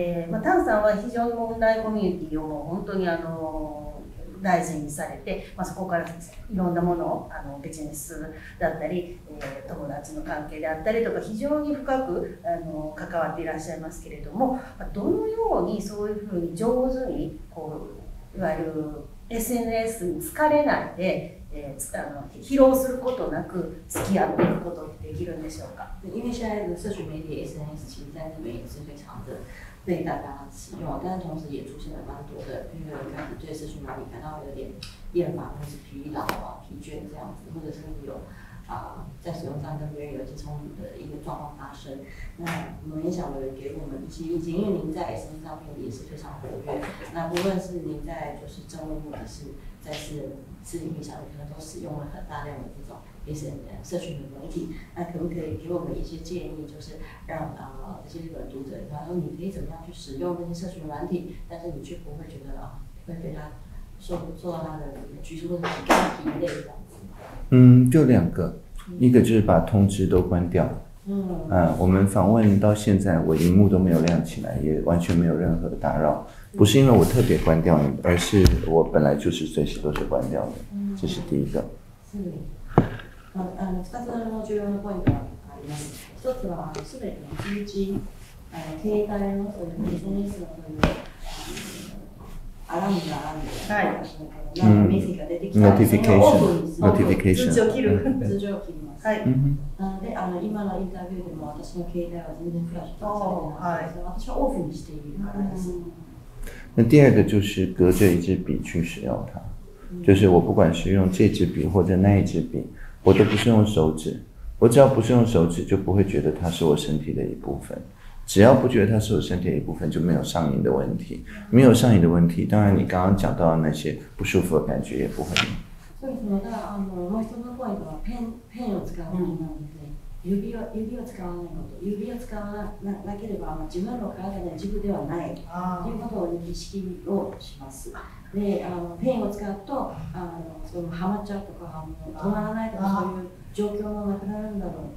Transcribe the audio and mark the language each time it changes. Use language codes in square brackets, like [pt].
[ja] まあ、タンさんは非常に問題コミュニティを本当に、大事にされて、まあ、そこからいろんなものをビジネスだったり、友達の関係であったりとか非常に深く関わっていらっしゃいますけれども、どのようにそういうふうに上手にこういわゆる SNS に疲れないで、疲労することなく付き合っていくことってできるんでしょうか。 [zh] 因为现在的社群媒体 SNS 其实在那边也是非常的被大家使用，但是同时也出现了蛮多的，因为开始对社群媒体感到有点厌烦，或是疲劳啊、疲倦这样子，或者是有在使用上跟别人有一些冲突的一个状况发生。那我们也想有人给我们一些意见，因为您在 SNS 上面也是非常活跃，那不论是您在就是政务或者是在私密上面，可能都使用了很大量的这种社群的媒体，那可不可以给我们一些建议，就是让这些日本读者，然后你可以怎么样去使用那些社群软体，但是你却不会觉得会被他受到他的拘束或者是疲累这样子？就两个，一个就是把通知都关掉。我们访问到现在，我荧幕都没有亮起来，也完全没有任何打扰。不是因为我特别关掉你，而是我本来就是随时都是关掉的。这是第一个。是。 [ja] 2つの重要なポイントがあります。1つは、すべての通知、携帯の SNS のというアラームがあるので、メッセージが出てきたら、オープンに通知を切る。通知を切ります。はい、なので今のインタビューでも私の携帯は全然フラッシュされてないので、はい、私はオープンにしているからです。 [zh] 那第二个就是隔着一支笔去使用它，就是我不管是用这支笔或者那一支笔，我都不是用手指，我只要不是用手指就不会觉得它是我身体的一部分，只要不觉得它是我身体的一部分就没有上瘾的问题，没有上瘾的问题，当然你刚刚讲到的那些不舒服的感觉也不会。 [ja] そうですね。だからもう一つのポイントはペンを使うことなので、指を使わないこと、指を使わなければ自分の体の一部ではないということを認識をします。でペンを使うとそのハマっちゃうとか止まらないとかそういう状況もなくなるんだろう。